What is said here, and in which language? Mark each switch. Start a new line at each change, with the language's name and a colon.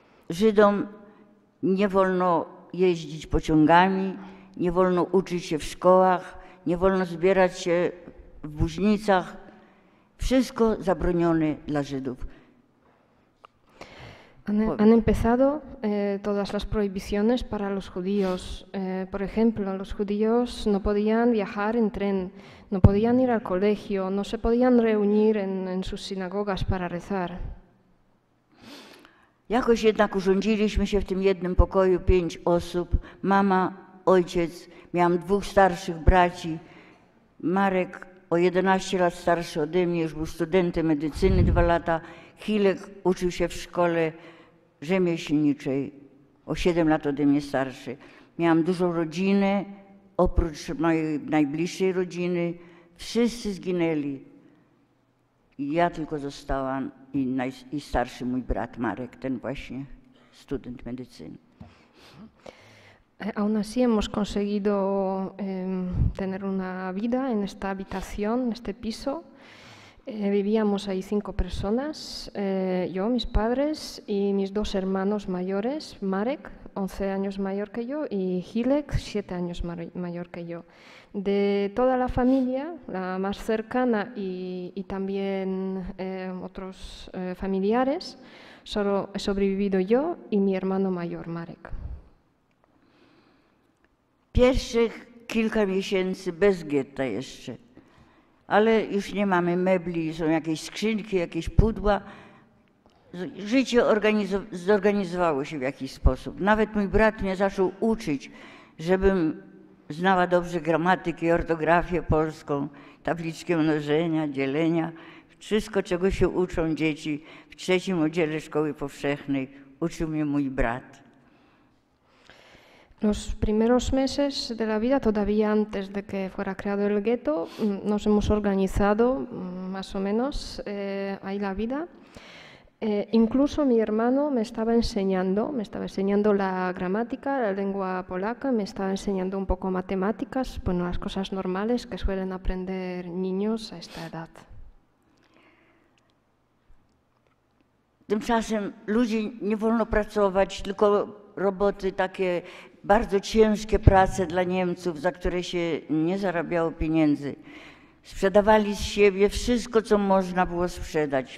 Polish: Żydom nie wolno jeździć pociągami, nie wolno uczyć się w szkołach, nie wolno zbierać się w buźnicach. Wszystko zabronione dla Żydów.
Spanish: Han empezado todas las prohibiciones para los judíos. Por ejemplo, los judíos no podían viajar en tren, no podían ir al colegio, no se podían reunir en sus sinagogas para rezar.
Polish: Jakoś jednak urządziliśmy się w tym jednym pokoju 5 osób. Mama, ojciec, miałam 2 starszych braci. Marek o 11 lat starszy ode mnie, już był studentem medycyny 2 lata. Chilek uczył się w szkole rzemieślniczej, o 7 lat ode mnie starszy. Miałam dużą rodzinę, oprócz mojej najbliższej rodziny. Wszyscy zginęli. Ja tylko zostałam i starszy mój brat Marek, ten właśnie student medycyny.
Spanish: Aún así hemos conseguido tener una vida en esta habitación, en este piso. Vivíamos ahí 5 personas, yo, mis padres y mis 2 hermanos mayores, Marek, 11 años mayor que yo, y Hilek, 7 años mayor que yo. De toda la familia, la más cercana y también otros familiares, solo he sobrevivido yo y mi hermano mayor, Marek.
Polish: Pierwszych kilka miesięcy bez getta jeszcze. Ale już nie mamy mebli, są jakieś skrzynki, jakieś pudła. Życie zorganizowało się w jakiś sposób. Nawet mój brat mnie zaczął uczyć, żebym znała dobrze gramatykę i ortografię polską, tabliczkę mnożenia, dzielenia. Wszystko, czego się uczą dzieci w 3. oddziale szkoły powszechnej, uczył mnie mój brat.
Spanish: Los primeros meses de la vida, todavía antes de que fuera creado el gueto, nos hemos organizado más o menos ahí la vida. Incluso mi hermano me estaba enseñando la gramática, la lengua polaca, me estaba enseñando un poco matemáticas, bueno, las cosas normales que suelen aprender niños a esta edad.
Polish: Tymczasem ludzie nie wolno pracować, tylko roboty takie bardzo ciężkie prace dla Niemców, za które się nie zarabiało pieniędzy. Sprzedawali z siebie wszystko, co można było sprzedać.